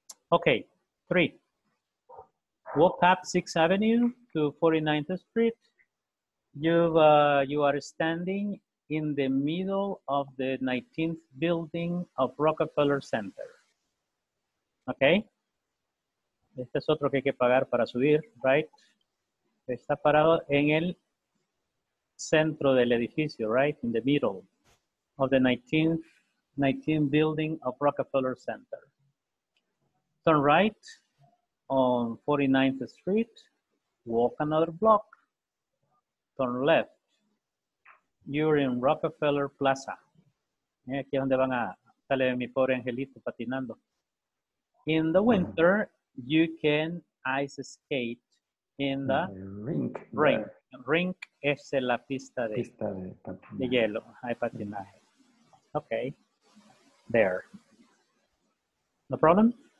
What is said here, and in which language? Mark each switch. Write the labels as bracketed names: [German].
[English] Okay, 3. Walk up 6th Avenue to 49th Street. You are standing in the middle of the 19th building of Rockefeller Center. Okay? [Spanish] Este es otro que hay que pagar para subir, [English] right? [Spanish] Está parado en el centro del edificio, right? [English] In the middle of the 19th building of Rockefeller Center. Turn right on 49th Street, walk another block, turn left. You're in Rockefeller Plaza. [Spanish] Aquí es donde van a salir mi pobre angelito patinando. [English] In the winter, you can ice skate in the rink. [Spanish] Rink. Rink es la pista de hielo. Hay patinaje. Okay. [English] There. No problem?